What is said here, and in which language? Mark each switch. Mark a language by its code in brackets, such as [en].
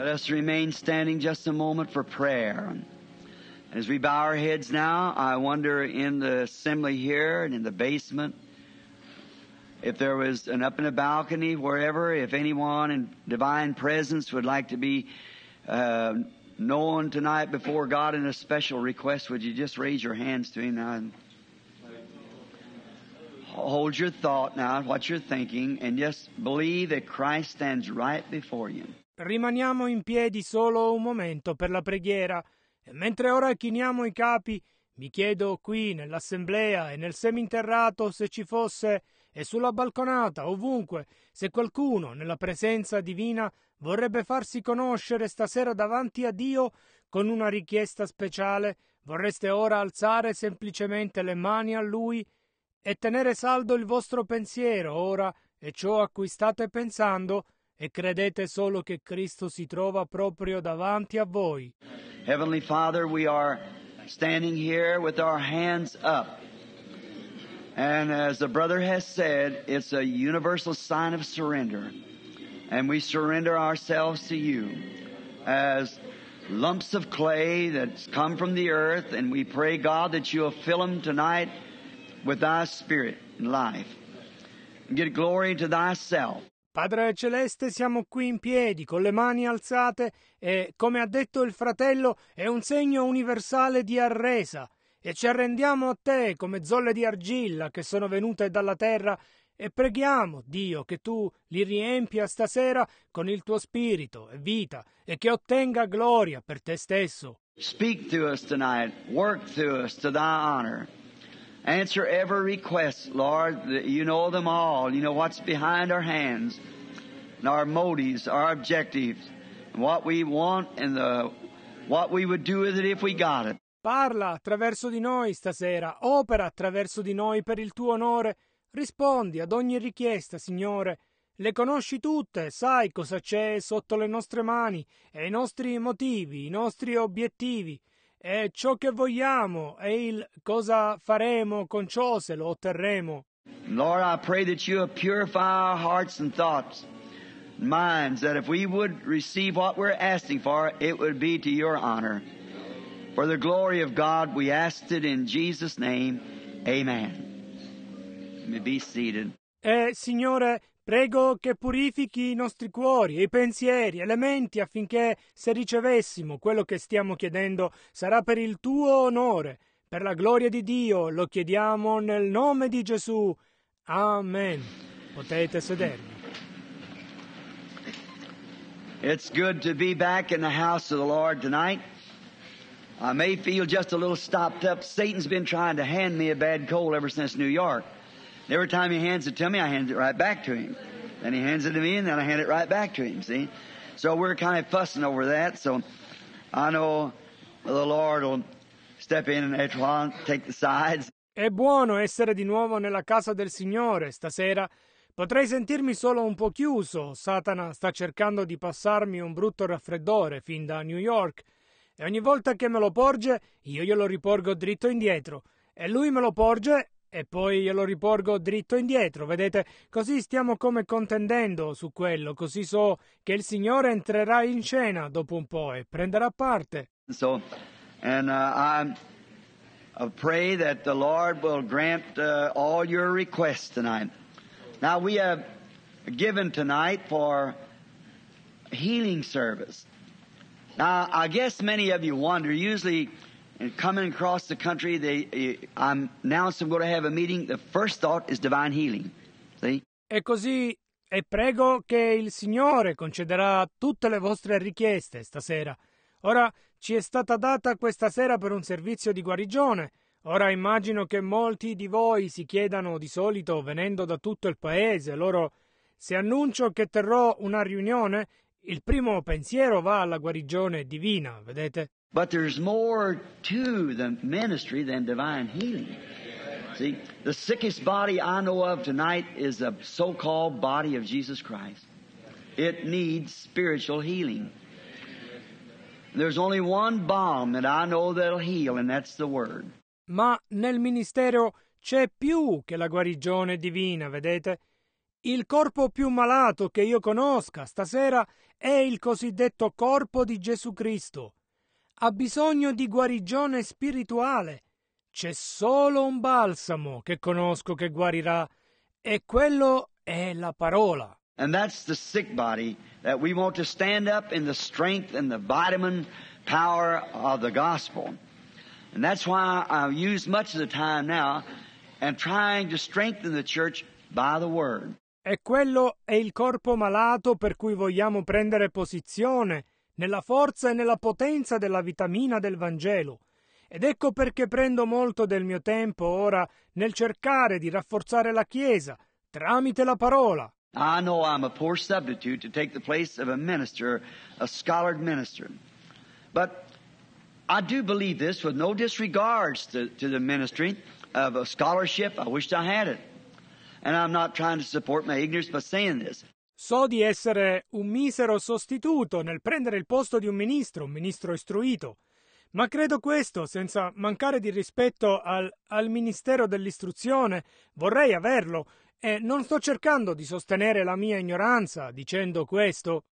[en] remain standing just a moment for prayer. As we bow our heads now, I wonder in the assembly here and in the basement, if there was an up in the balcony, wherever, if anyone in divine presence would like to be known tonight before God in a special request, would you just raise your hands to Him now? And hold your thought now, what you're thinking, and just believe that Christ stands right before you. [it] Rimaniamo in piedi solo un momento per la preghiera e mentre ora chiniamo i capi mi chiedo qui nell'assemblea e nel seminterrato se ci fosse e sulla balconata ovunque se qualcuno nella presenza divina vorrebbe farsi conoscere stasera davanti a Dio con una richiesta speciale, vorreste ora alzare semplicemente le mani a Lui e tenere saldo il vostro pensiero ora e ciò a cui state pensando e credete solo che Cristo si trova proprio davanti a voi. [en] Heavenly Father, we are standing here with our hands up. And as the brother has said, it's a universal sign of surrender. And we surrender ourselves to you as lumps of clay that's come from the earth. And we pray, God, that you'll fill them tonight with thy spirit and life. And get glory to thyself. [it] Padre Celeste, siamo qui in piedi, con le mani alzate e, come ha detto il fratello, è un segno universale di arresa e ci arrendiamo a Te come zolle di argilla che sono venute dalla terra e preghiamo, Dio, che Tu li riempia stasera con il Tuo spirito e vita e che ottenga gloria per Te stesso. [en] Speak to us tonight, work to us to Thy honor. Answer every request, Lord. You know them all. You know what's behind our hands and our motives, our objectives, and what we want and what we would do with it if we got it. [it] Parla attraverso di noi stasera. Opera attraverso di noi per il tuo onore. Rispondi ad ogni richiesta, Signore. Le conosci tutte. Sai cosa c'è sotto le nostre mani e i nostri motivi, i nostri obiettivi. E ciò che vogliamo è il cosa faremo con ciò se lo otterremo. [en] Lord, I pray that you will purify our hearts and thoughts and minds, that if we would receive what we're asking for, it would be to your honor. For the glory of God, we ask it in Jesus' name. Amen. You may be seated. [it] Signore, prego che purifichi i nostri cuori, i pensieri, le menti, affinché se ricevessimo quello che stiamo chiedendo sarà per il tuo onore. Per la gloria di Dio lo chiediamo nel nome di Gesù. Amen. Potete sedervi. [en] It's good to be back in the house of the Lord tonight. I may feel just a little stopped up. Satan's been trying to hand me a bad cold ever since New York. Every time he hands it to me, I hand it right back to him. Then he hands it to me, and then I hand it right back to him, see? So we're kind of fussing over that. So I know the Lord will step in and take the sides. [it] È buono essere di nuovo nella casa del Signore stasera. Potrei sentirmi solo un po' chiuso. Satana sta cercando di passarmi un brutto raffreddore fin da New York. E ogni volta che me lo porge, io glielo riporgo dritto indietro. E lui me lo porge e poi glielo riporgo dritto indietro, vedete? Così stiamo come contendendo su quello, così so che il Signore entrerà in scena dopo un po' e prenderà parte. [en] So, And I pray that the Lord will grant all your requests tonight. Now, we have given tonight for healing service. Now, I guess many of you wonder, usually coming across the country, I'm going to have a meeting, the first thought is divine healing. See? [it] E così, e prego che il Signore concederà tutte le vostre richieste stasera. Ora, ci è stata data questa sera per un servizio di guarigione. Ora immagino che molti di voi si chiedano, di solito venendo da tutto il paese, loro, se annuncio che terrò una riunione, il primo pensiero va alla guarigione divina, vedete? [en] But there's more to the ministry than divine healing. See, the sickest body I know of tonight is a so-called body of Jesus Christ. It needs spiritual healing. There's only one balm that I know that'll heal, and that's the Word. [it] Ma nel ministero c'è più che la guarigione divina, vedete? Il corpo più malato che io conosca stasera è il cosiddetto corpo di Gesù Cristo. Ha bisogno di guarigione spirituale. C'è solo un balsamo che conosco che guarirà, e quello è la parola. [en] And that's the sick body that we want to stand up in the strength and the vitamin power of the gospel. And that's why I use much of the time now and trying to strengthen the church by the word. [it] E quello è il corpo malato per cui vogliamo prendere posizione nella forza e nella potenza della vitamina del Vangelo. Ed ecco perché prendo molto del mio tempo ora nel cercare di rafforzare la Chiesa tramite la parola. [en] I know I'm a poor substitute to take the place of a minister, a scholar minister. But I do believe this with no disregards to the ministry of a scholarship. I wished I had it. And I'm not trying to support my ignorance by saying this. [it] So di essere un misero sostituto nel prendere il posto di un ministro istruito. Ma credo questo, senza mancare di rispetto al ministero dell'istruzione, vorrei averlo. E non sto cercando di sostenere la mia ignoranza dicendo questo.